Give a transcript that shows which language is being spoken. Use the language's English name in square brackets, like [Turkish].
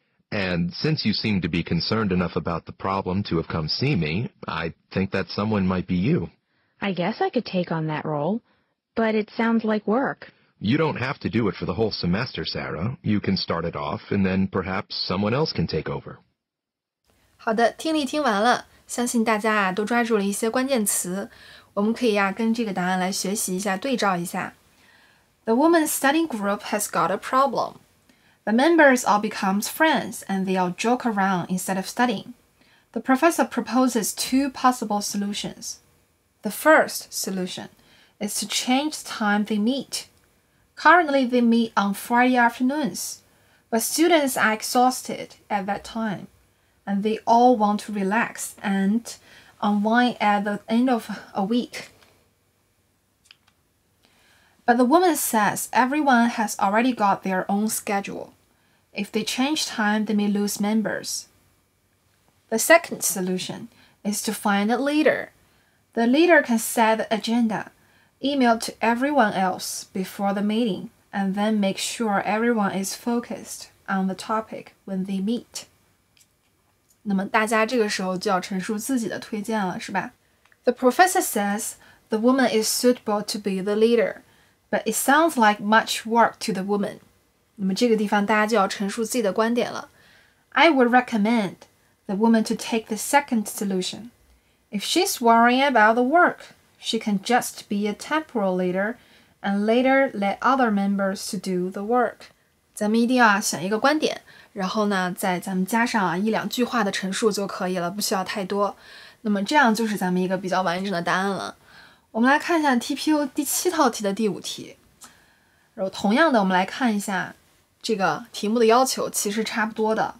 [English] And since you seem to be concerned enough about the problem to have come see me, I think that someone might be you. I guess I could take on that role, but it sounds like work. You don't have to do it for the whole semester, Sarah. You can start it off, and then perhaps someone else can take over. [Chinese] 好的，听力听完了，相信大家啊都抓住了一些关键词，我们可以啊跟这个答案来学习一下，对照一下。 [English] The woman's study group has got a problem. The members all become friends and they all joke around instead of studying. The professor proposes two possible solutions. The first solution is to change the time they meet. Currently, they meet on Friday afternoons, but students are exhausted at that time. And they all want to relax and unwind at the end of a week. But the woman says everyone has already got their own schedule. If they change time, they may lose members. The second solution is to find a leader. The leader can set the agenda. Email to everyone else before the meeting and then make sure everyone is focused on the topic when they meet. [Chinese] 那么大家这个时候就要陈述自己的推荐了，是吧？ [English] The professor says the woman is suitable to be the leader, but it sounds like much work to the woman. [Chinese] 那么这个地方大家就要陈述自己的观点了。 [English] I would recommend the woman to take the second solution. If she's worrying about the work, she can just be a temporal leader and later let other members to do the work. [Chinese] 咱们一定要选一个观点，然后呢，在咱们加上一两句话的陈述就可以了，不需要太多。那么这样就是咱们一个比较完整的答案了。我们来看一下 TPO 第七套题的第五题。然后同样的，我们来看一下这个题目的要求其实差不多的。